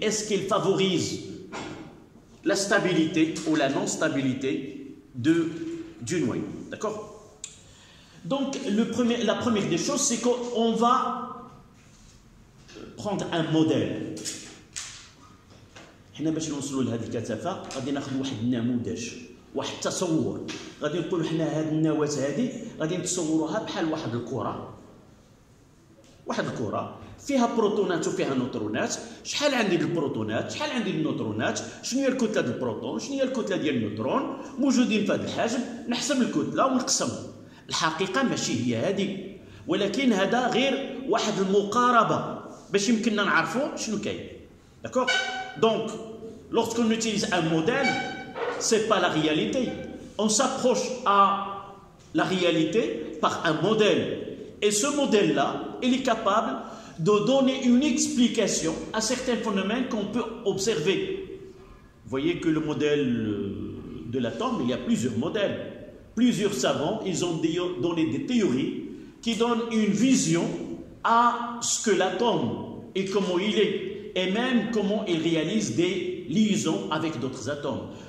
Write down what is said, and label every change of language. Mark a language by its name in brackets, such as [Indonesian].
[French] Est-ce qu'elle favorise la stabilité ou la non-stabilité du noyau? D'accord? Donc, la première des choses, c'est qu'on va prendre un modèle. [Arabic] حنا باش نوصلوا لهذه الكثافه غادي ناخذ واحد النموذج واحد التصور غادي نقولوا حنا هذه النواه هذه غادي نتصوروها بحال واحد الكره فيها بروتونات وفيها نوترونات شحال عندي البروتونات شحال عندي النوترونات شنو هي الكتله ديال البروتون شنو هي الكتله ديال النوترون موجودين في هذا الحجم نحسب الكتله ونقسم الحقيقه ماشي هي هذه ولكن هذا غير واحد المقاربه باش يمكننا نعرفوا شنو كاين داكوغ [French] Donc, lorsqu'on utilise un modèle, ce n'est pas la réalité. On s'approche à la réalité par un modèle. Et ce modèle-là, il est capable de donner une explication à certains phénomènes qu'on peut observer. Vous voyez que le modèle de l'atome, il y a plusieurs modèles. Plusieurs savants, ils ont donné des théories qui donnent une vision à ce que l'atome et comment il est, et même comment il réalise des liaisons avec d'autres atomes.